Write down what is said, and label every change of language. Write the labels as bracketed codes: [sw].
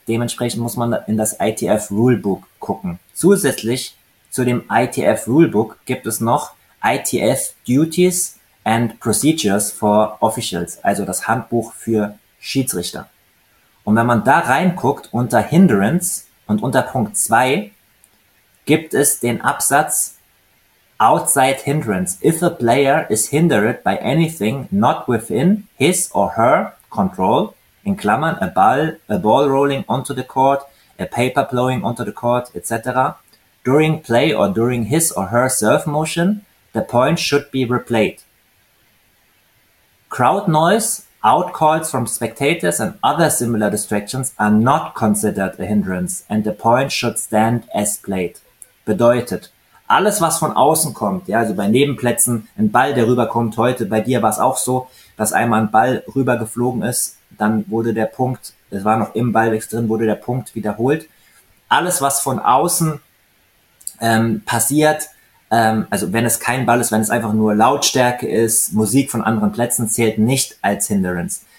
[de] Dementsprechend muss man in das ITF-Rulebook gucken. Zusätzlich zu dem ITF-Rulebook gibt es noch ITF-Duties and Procedures for Officials, also das Handbuch für Schiedsrichter. Und wenn man da reinguckt unter Hindrance und unter Punkt 2, gibt es den Absatz Outside Hindrance. [en] If a player is hindered by anything not within his or her control, [de] in Klammern, [en] a ball rolling onto the court, a paper blowing onto the court, etc., during play or during his or her serve motion, the point should be replayed. Crowd noise, outcalls from spectators and other similar distractions are not considered a hindrance and the point should stand as played. [de] Bedeutet, alles was von außen kommt, ja, also bei Nebenplätzen, ein Ball, der rüberkommt heute, bei dir war es auch so, dass einmal ein Ball rübergeflogen ist, dann wurde der Punkt, es war noch im Ballweg drin, wurde der Punkt wiederholt. Alles was von außen passiert, also wenn es kein Ball ist, wenn es einfach nur Lautstärke ist, Musik von anderen Plätzen, zählt nicht als Hindernis.